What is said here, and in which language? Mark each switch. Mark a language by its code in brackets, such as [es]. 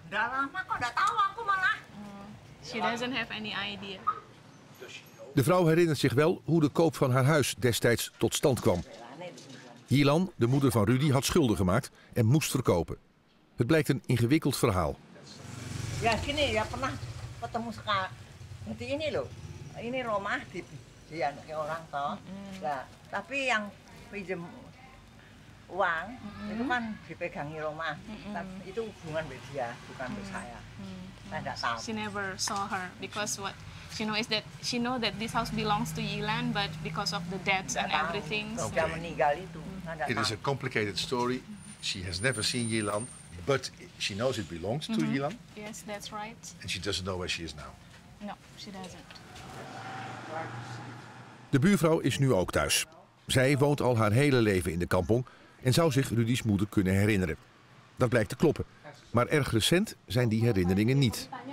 [id] Udah lama, kok udah tahu aku malah. [en] She doesn't have any idea. [nl] De vrouw herinnert zich wel hoe de koop van haar huis destijds tot stand kwam. Yelan, de moeder van Rudy, had schulden gemaakt en moest verkopen. Het blijkt een ingewikkeld verhaal. [id] Ya, sini, ya pernah ketemu sekali. Ini loh, ini rumah di dia anaknya orang toh. Mm-hmm. Nah, tapi yang pinjam uang itu kan dipegangi rumah. Mm-hmm. Tapi itu hubungan dengan dia, bukan dengan saya. Mm-hmm. Saya enggak tahu. [en] She never saw her because what she know is that she know that this house belongs to Yilan, but because of the debts and everything. [id] Okay. Dia meninggal itu. Mm-hmm. [en] It is a complicated story. She has never seen Yilan, but she knows it belongs to mm-hmm. Yilan. Yes, that's right. And she doesn't know where she is now. No, she doesn't. [nl] De buurvrouw is nu ook thuis. Zij woont al haar hele leven in de kampong en zou zich Rudy's moeder kunnen herinneren. Dat blijkt te kloppen. Maar erg recent zijn die herinneringen niet.